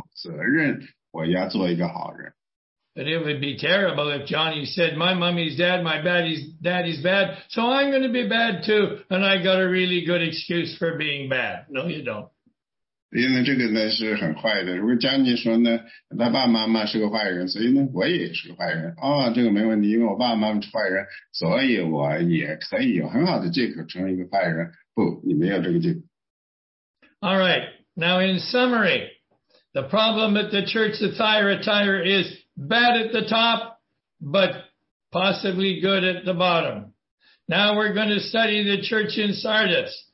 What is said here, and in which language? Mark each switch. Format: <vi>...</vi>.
<zh>因为你说呢，就算是父母，爸爸妈妈是坏的，我也有责任，我要做一个好人。But</zh> <en>it would be terrible if Johnny said, my mommy's dad, my daddy's bad, so I'm going to be bad too, and I got a really good excuse for being bad. No, you don't.</en> <zh>因为这个呢是很坏的。如果将军说呢，他爸爸妈妈是个坏人，所以呢我也是个坏人。哦，这个没问题，因为我爸爸妈妈是坏人，所以我也可以有很好的借口成为一个坏人。不，你没有这个借口。All</zh> <en>right. Now, in summary, the problem at the church of Thyatira is bad at the top, but possibly good at the bottom. Now we're going to study the church in Sardis.</en>